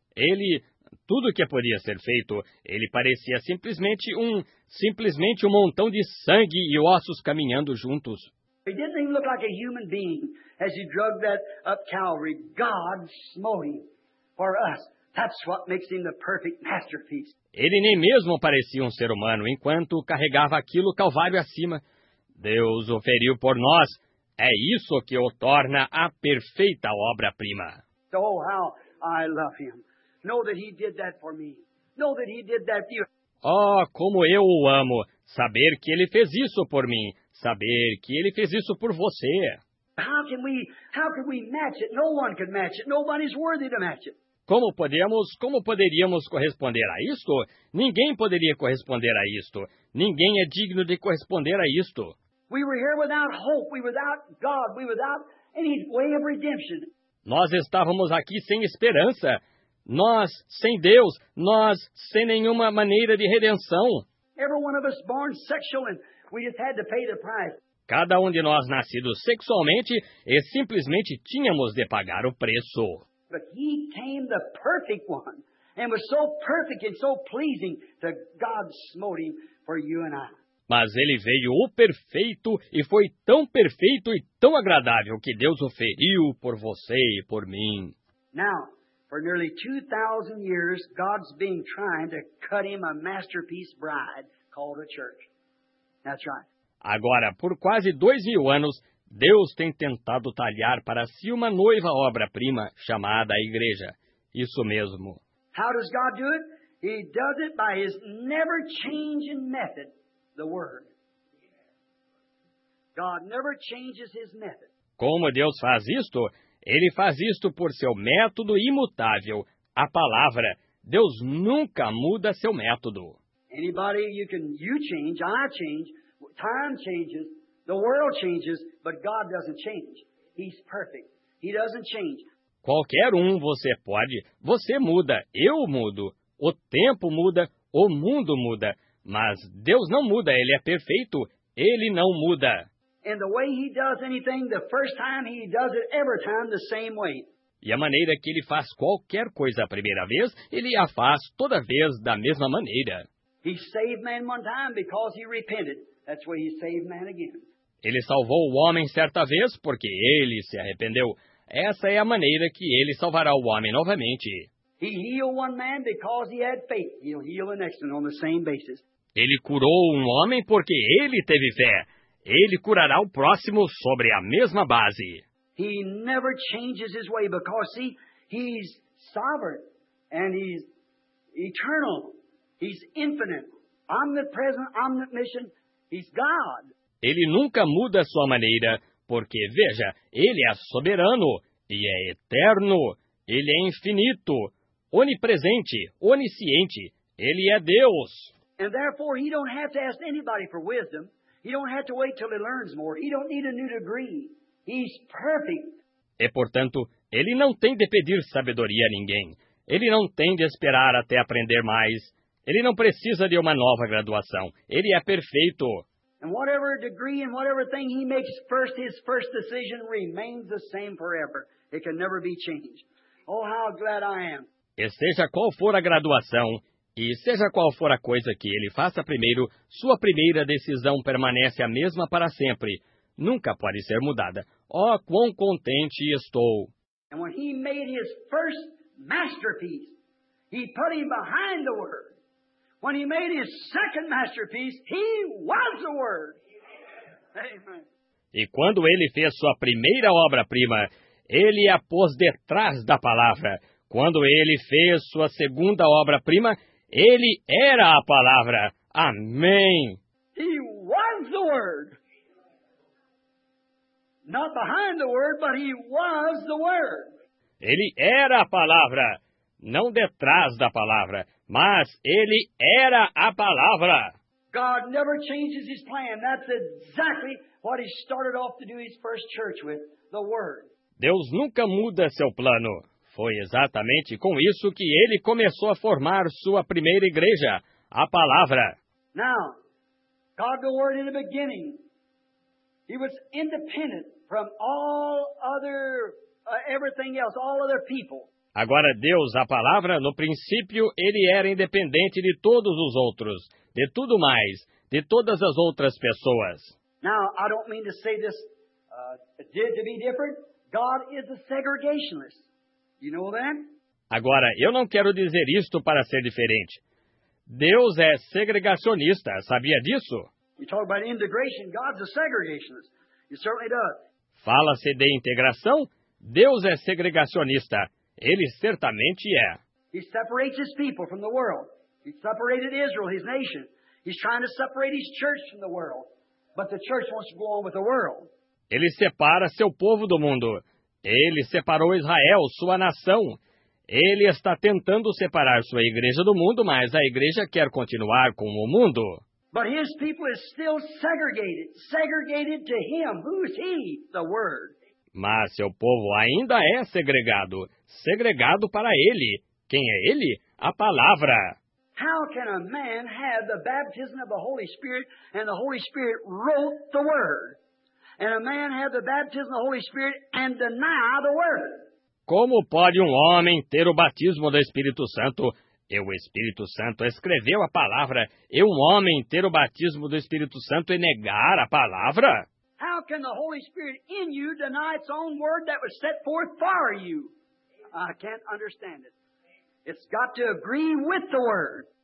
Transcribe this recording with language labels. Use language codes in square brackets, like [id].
[pt] Ele, tudo que podia ser feito, ele parecia simplesmente um montão de sangue e ossos caminhando juntos. [en] He didn't even look like a human being as he drug that up Calvary. God smote him for us. That's what makes him the perfect masterpiece. [pt] Ele nem mesmo parecia um ser humano enquanto carregava aquilo Calvário acima. Deus o feriu por nós. É isso que o torna a perfeita obra-prima. [en] Oh, how I love him. Know that he did that for me. Know that he did that for you. [pt] Oh, como eu o amo. Saber que ele fez isso por mim. Saber que ele fez isso por você. [en] How can we match it? No one can match it. Nobody's worthy to match it. [pt] Como poderíamos corresponder a isto? Ninguém poderia corresponder a isto. Ninguém é digno de corresponder a isto. [en] We were here without hope, we were without God, we were without any way of redemption. [pt] Nós estávamos aqui sem esperança. Nós sem Deus, nós sem nenhuma maneira de redenção. [en] Every one of us born sexual and we just had to pay the price. [pt] Cada um de nós nascido sexualmente e simplesmente tínhamos de pagar o preço. [en] But he came the perfect one and was so perfect and so pleasing that God smote him for you and I. [pt] Mas ele veio o perfeito e foi tão perfeito e tão agradável que Deus o feriu por você e por mim. [en] Now, for nearly 2,000 years, God's been trying to cut him a masterpiece bride called a church. That's right. [pt] Agora, por quase 2,000 anos, Deus tem tentado talhar para si uma noiva obra-prima chamada a igreja. Isso mesmo. [en] How does God do it? He does it by his never-changing method, the Word. God never changes his method. [pt] Como Deus faz isto? Ele faz isto por seu método imutável, a palavra. Deus nunca muda seu método. [en] Anybody, you change, I change. Time changes, the world changes, but God doesn't change. He's perfect. He doesn't change. [pt] Qualquer um você pode, você muda, eu mudo, o tempo muda, o mundo muda, mas Deus não muda, ele é perfeito, ele não muda. [en] And the way he does anything, the first time he does it, every time the same way. [pt] E a maneira que ele faz qualquer coisa a primeira vez, ele a faz toda vez da mesma maneira. [en] He saved man one time because he repented. That's why he saved man again. [pt] Ele salvou o homem certa vez porque ele se arrependeu. Essa é a maneira que ele salvará o homem novamente. [en] He healed one man because he had faith. He'll heal the next one on the same basis. [pt] Ele curou um homem porque ele teve fé. Ele curará o próximo sobre a mesma base. [en] He never changes his way because see, he's sovereign and he's eternal. He's infinite. Omnipresent, omniscient. He's God. [pt] Ele nunca muda sua maneira, porque, veja, ele é soberano e é eterno. Ele é infinito, onipresente, onisciente. Ele é Deus. [en] And therefore, he don't have to ask anybody for wisdom. He don't have to wait till he learns more. He don't need a new degree. He's perfect. [pt] E, portanto, ele não tem de pedir sabedoria a ninguém. Ele não tem de esperar até aprender mais. Ele não precisa de uma nova graduação. Ele é perfeito. [en] And whatever degree and whatever thing he makes first, his first decision remains the same forever. It can never be changed. Oh, how glad I am. [pt] E seja qual for a graduação, e seja qual for a coisa que ele faça primeiro, sua primeira decisão permanece a mesma para sempre. Nunca pode ser mudada. Oh, quão contente estou. [en] And when he made his first masterpiece, he put him behind the Word. When he made his second masterpiece, he was the Word. [pt] E quando ele fez sua primeira obra-prima, ele a pôs detrás da palavra. Quando ele fez sua segunda obra-prima, ele era a palavra. Amém. [en] He was the Word. Not behind the Word, but he was the Word. [pt] Ele era a palavra. Não detrás da palavra, mas ele era a palavra. [en] God never changes his plan. That's exactly what he started off to do his first church with, the Word. [pt] Deus nunca muda seu plano. Foi exatamente com isso que ele começou a formar sua primeira igreja, a Palavra. [en] Now, God the Word in the beginning, He was independent from all other, everything else, all other people. [pt] Agora, Deus, a Palavra, no princípio, Ele era independente de todos os outros, de tudo mais, de todas as outras pessoas. [en] Now, I don't mean to say this to be different. God is a segregationist. You know that? [pt] Agora, eu não quero dizer isto para ser diferente. Deus é segregacionista, sabia disso? [en] You talk about integration, God's a segregationist. He certainly does. [pt] Fala-se de integração, Deus é segregacionista. Ele certamente é. [en] He separates his people from the world. He separated Israel, his nation. He's trying to separate his church from the world. But the church wants to go on with the world. [pt] Ele separa seu povo do mundo. Ele separou Israel, sua nação. Ele está tentando separar sua igreja do mundo, mas a igreja quer continuar com o mundo. [en] But his people is still segregated. Segregated to him. Who's he? The Word. [pt] Mas seu povo ainda é segregado. Segregado para ele. Quem é ele? A Palavra. [en] How can a man have the baptism of the Holy Spirit and the Holy Spirit wrote the Word? And a man have the baptism of the Holy Spirit and deny the Word? [pt] Como pode homem ter o batismo do Espírito Santo e o Espírito Santo escreveu a Palavra e homem ter o batismo do Espírito Santo e negar a Palavra? [en] How can the Holy Spirit in you deny its own Word that was set forth for you? I can't understand it. It's got to agree with the Word.